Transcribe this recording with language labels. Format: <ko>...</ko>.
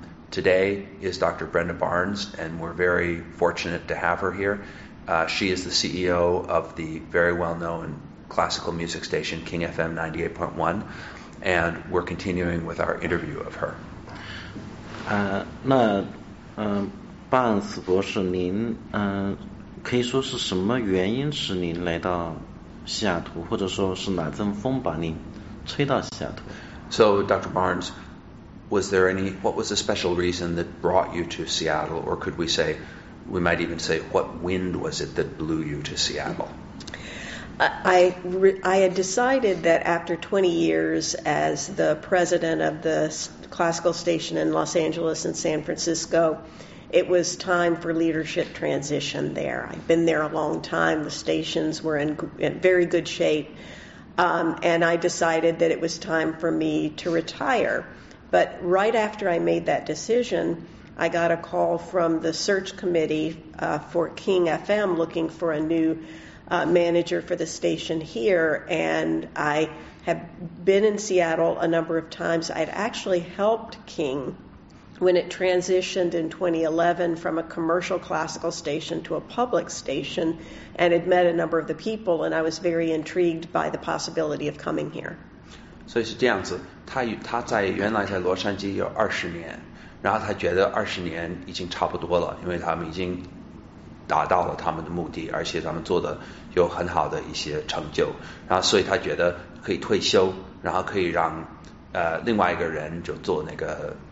<en>Today is Dr. Brenda Barnes, and we're very fortunate to have her here. She is the CEO of the very well-known classical music station, King FM 98.1, and we're continuing with our interview of her.</en> <zh>可以说是什么原因使您来到西雅图，或者说是哪阵风把您吹到西雅图</zh> <en>？So, Dr. Barnes, was there any? What was the special reason that brought you to Seattle, or could we say, we might even say, what wind was it that blew you to Seattle? I had decided that after 20 years as the president of the classical station in Los Angeles and San Francisco. It was time for leadership transition there. I've been there a long time. The stations were in very good shape. And I decided that it was time for me to retire. But right after I made that decision, I got a call from the search committee for King FM looking for a new manager for the station here. And I have been in Seattle a number of times. I'd actually helped King. When it transitioned in 2011 from a commercial classical station to a public station, and had met a number of the people, and I was very intrigued by the possibility of coming here. So it's</en> <zh>这样子，他在原来在洛杉矶有二十年，然后他觉得二十年已经差不多了，因为他们已经达到了他们的目的，而且他们做的有很好的一些成就，然后所以他觉得可以退休，然后可以让另外一个人就做那个。</zh>